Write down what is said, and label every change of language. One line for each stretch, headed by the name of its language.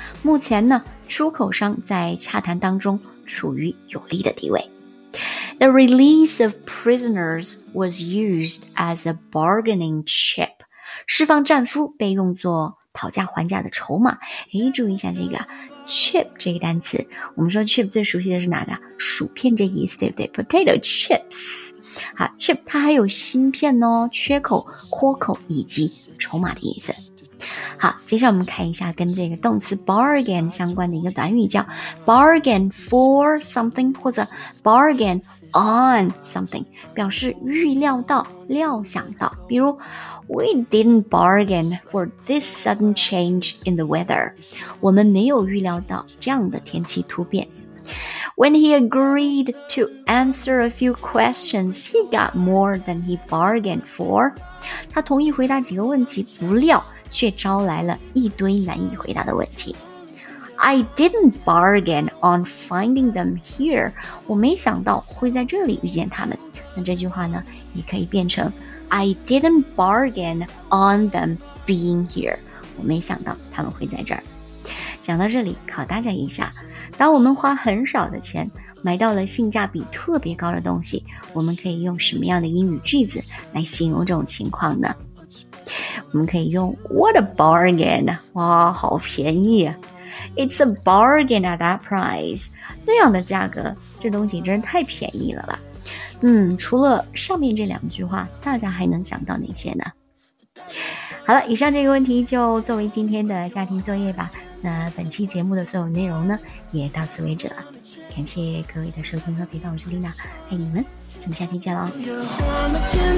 Chinese: 目前呢，出口商在洽谈当中处于有利的地位。
English: The release of prisoners was used as a bargaining chip.
Chinese: 释放战俘被用作讨价还价的筹码。诶，注意一下这个chip 这个单词，我们说 chip 最熟悉的是哪个？薯片这个意思，对不对？
English: Potato chips。
Chinese: 好， chip 它还有芯片哦，缺口、豁口以及筹码的意思。好，接下来我们看一下跟这个动词 bargain 相关的一个短语，叫 bargain for something 或者 bargain on something， 表示预料到、料想到。
English: 比如We didn't bargain for this sudden change in the weather.
Chinese: 我们没有预料到这样的天气突变。
English: When he agreed to answer a few questions, he got more than he bargained for.
Chinese: 他同意回答几个问题，不料却招来了一堆难以回答的问题。
English: I didn't bargain on finding them here.
Chinese: 我没想到会在这里遇见他们。那这句话呢，也可以变成
English: I didn't bargain on them being here.
Chinese: 我没想到他们会在这儿。讲到这里，考大家一下，当我们花很少的钱买到了性价比特别高的东西，我们可以用什么样的英语句子来形容这种情况呢？我们可以用
English: What a bargain!
Chinese: 哇，好便宜啊。
English: It's a bargain at that price.
Chinese: 那样的价格，这东西真是太便宜了吧。除了上面这两句话，大家还能想到哪些呢？好了，以上这个问题就作为今天的家庭作业吧。那本期节目的所有内容呢，也到此为止了。感谢各位的收听和陪伴，我是丽娜，爱你们，咱们下期见喽。